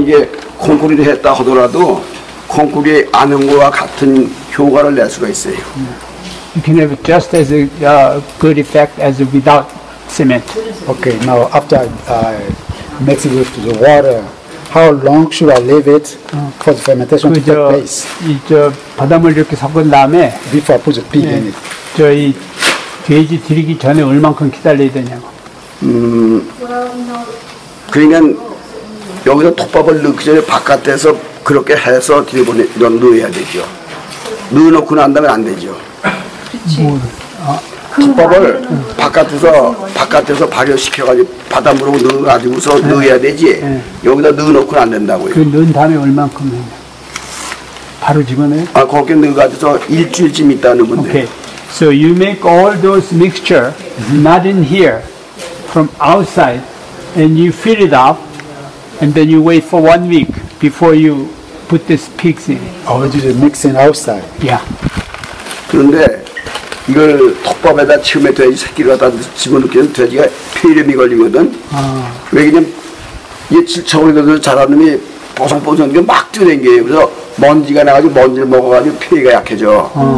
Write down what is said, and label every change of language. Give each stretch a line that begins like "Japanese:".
Korean: 이게 콩쿠리를 했다 하더라도 콩쿠리 아는 것과 같은 효과를 낼 수가 있어요.
English: You can have just as a good effect as without. Cement. Okay, now after I mix it with the water, how long should I leave it for the fermentation to take place?
Korean: 이 저 바닷물 이렇게 섞은 다음에
English: before I put the pig in it.
Korean: 저희 돼지 들이기 전에 얼만큼 기다려야 되냐고. 그러니까 여기서 톱밥을 넣기 전에 바깥에서 그렇게 해서 들여보내 넣어야 되죠. 넣어놓고 난 다음에 안 되죠. 그렇지. 톱밥을 바깥에서 발효시켜가지고 바닷물로 넣어가지고서 네. 넣어야 되지. 네. 여기다 넣어놓고는 안 된다고요. 그 넣은 다음에 얼만큼 바로 집어넣어요? 아, 그렇게 넣어가지고서 일주일쯤 있다 넣으면 돼.
English: Okay. So you make all those mixture not in here from outside and you fill it up and then you wait for 1 week before you put this pigs in. Oh, you just mix in outside? Yeah.
Korean: 그런데 이걸 톱밥에다 처음에 돼지 새끼를 갖다 집어넣기는 돼지가 폐렴이 걸리거든. 아. 왜냐면 얘 질척으로 자란 놈이 보송보송하게 막 뛰어댕겨요. 그래서 먼지가 나가지고 먼지를 먹어가지고 폐가 약해져.